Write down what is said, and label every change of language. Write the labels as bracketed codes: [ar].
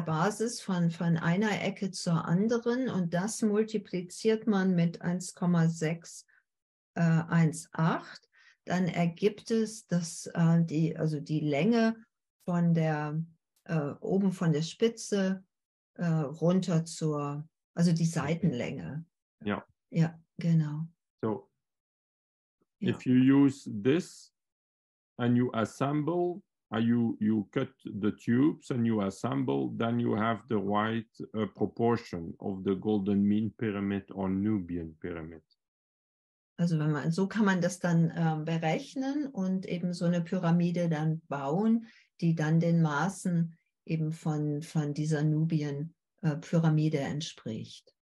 [de] Basis von einer Ecke zur anderen und das multipliziert man mit 1,618, dann ergibt es also die Länge von oben von der Spitze runter zur, also die Okay. Seitenlänge. Ja. Ja, genau. [en] So, if [de] Ja. [en] you use this and you assemble, you cut the tubes and you assemble, then you have the right proportion of the golden mean pyramid or Nubian pyramid. [de] Also wenn man so kann man das dann berechnen und eben so eine Pyramide dann bauen, die dann den Maßen eben von dieser Nubien-Pyramide entspricht.